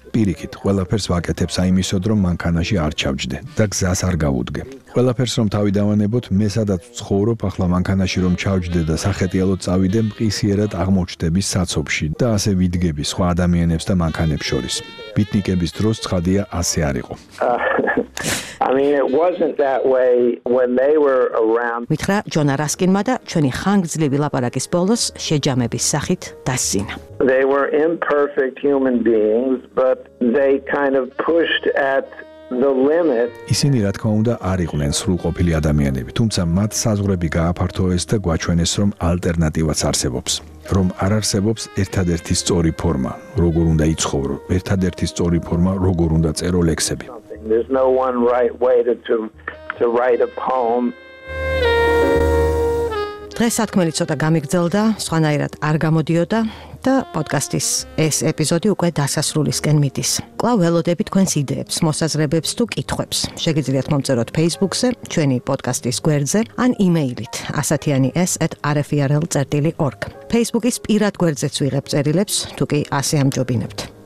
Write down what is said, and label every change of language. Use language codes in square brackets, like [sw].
[ka] პირიქით, ყველაფერს ვაკეთებს აიმისოდ, რომ მანქანაში არ ჩავჯდე და გზას არ გავუდგე. ყველაფერს რომ თავი დავანებოთ, მე სადაც ვცხოვრობ, ახლა მანქანაში რომ ჩავჯდე და სახეტიალოდ წავიდე, მყისიერად აღმოჩდები საცობში და ასე ვიდგები სხვა ადამიანებს და მანქანებს შორის. ბიტნიკების დროს ცხადია, ასე არ იყო. [en] I mean it wasn't that way when they were around. [ka] მითხრა ჯონ რასკინმა და ჩვენი ხანგრძლივი ლაპარაკის ბოლოს შეჯამების სახით დასწინა. [en] They were imperfect human beings, but they kind of pushed at the limit. [ka] ისინი რა თქმა უნდა არ იყვნენ სრულყოფილი ადამიანები, თუმცა მათ საზღვრები გააფართოვეს და გვაჩვენეს, რომ ალტერნატივაც არსებობს. რომ არ არსებობს ერთადერთი სწორი ფორმა, როგორ უნდა იცხოვრო, ერთადერთი სწორი ფორმა, როგორ უნდა წერო ლექსები. [en] There's no one right way to write a poem. [ka] დღეს სათქმელი ცოტა გამიგრძელდა, სხვანაირად არ გამოდიოდა და პოდკასტის ეს ეპიზოდი უკვე დასასრულისკენ მიდის. კვლავ ველოდები თქვენს იდეებს, მოსაზრებებს თუ კითხვებს. შეგიძლიათ მომწეროთ Facebook-ზე, ჩვენი პოდკასტის გვერდზე ან იმეილით asatiani@rfrl.org. Facebook-ის პირად გვერდზეც ვიღებ წერილებს, თუ კი ასე ამჯობინებთ.